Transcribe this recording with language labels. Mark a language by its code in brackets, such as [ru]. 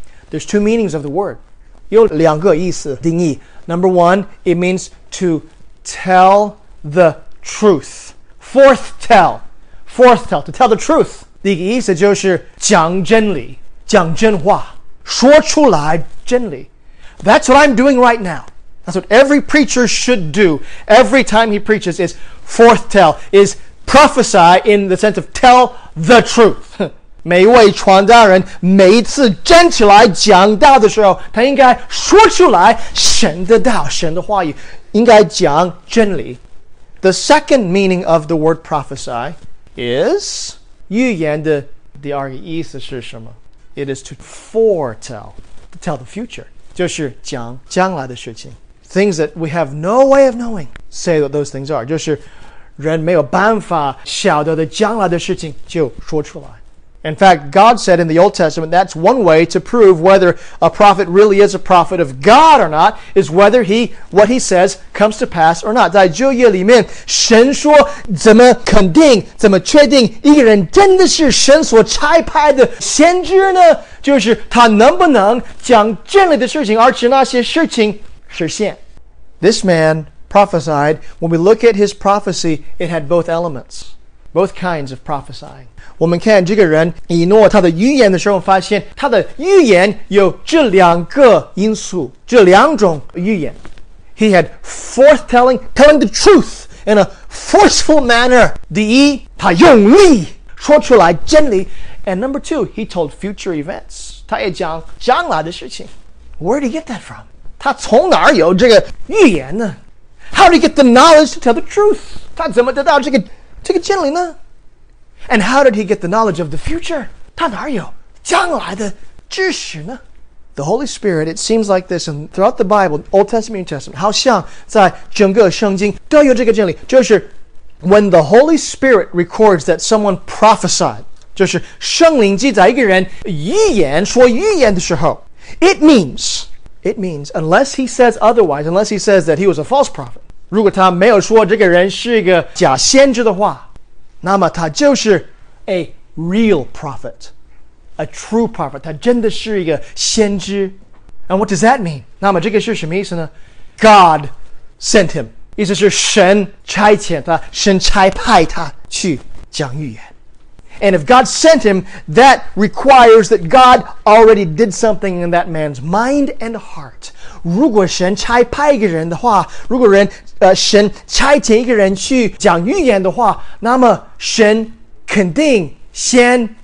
[en] There's two meanings of the word. [zh] 有两个意思定义 [en] Number one, it means to tell the truth. Forth tell. forth to tell the truth. [zh] 第一个意思就是讲真理，讲真话，说出来真理。 [en] That's what I'm doing right now. That's what every preacher should do. Every time he preaches is forth tell, is prophesy in the sense of tell the truth. [zh] 每一位传道人每一次站起来讲道的时候，他应该说出来神的道，神的话语，应该讲真理。 [en] The second meaning of the word prophesy is [zh] 预言的第二个意思是什么？ [en] It is to foretell, to tell the future, [zh] 就是讲将来的事情。 [en] Things that we have no way of knowing, say what those things are, [zh] 就是人没有办法晓得的将来的事情就说出来。 [en] In fact, God said in the Old Testament, that's one way to prove whether a prophet really is a prophet of God or not, is whether what he says comes to pass or not. [zh] 在旧约里面，神说怎么肯定，怎么确定一个人真的是神所差派的先知呢？就是他能不能讲真理的事情，而且那些事情实现。 [en] This man prophesied, when we look at his prophecy, it had both elements. Both kinds of prophesying. [zh] 我们看这个人以诺他的预言的时候发现他的预言有这两个因素这两种预言。 [en] He had foretelling, telling the truth in a forceful manner. [zh] 第一他用力说出来真理。 [en] And number two, he told future events. [zh] 他也讲将来的事情。 [en] Where did he get that from? [zh] 他从哪儿有这个预言呢? [en] How did he get the knowledge to tell the truth? [zh] 他怎么得到这个这个真理呢? [en] And how did he get the knowledge of the future? [zh] 他哪有将来的知识呢? [en] The Holy Spirit, it seems like this, and throughout the Bible, Old Testament, New Testament, [zh] 好像在整个圣经都有这个真理。就是 [en] when the Holy Spirit records that someone prophesied, [zh] 就是圣灵记载一个人预言说预言的时候 [en] it means, unless he says otherwise, unless he says that he was a false prophet, [zh] 如果他没有说这个人是一个假先知的话，那么他就是 [en] a real prophet, a true prophet. [zh] 他真的是一个先知。 [en] And what does that mean? [zh] 那么这个是什么意思呢? [en] God sent him. [zh] 意思是神差遣他，神差派他去讲预言。 [en] And if God sent him, that requires that God already did something in that man's mind and heart. [zh] 如果神差派一个人的话，如果人神差遣一个人去讲预言的话，那么神肯定先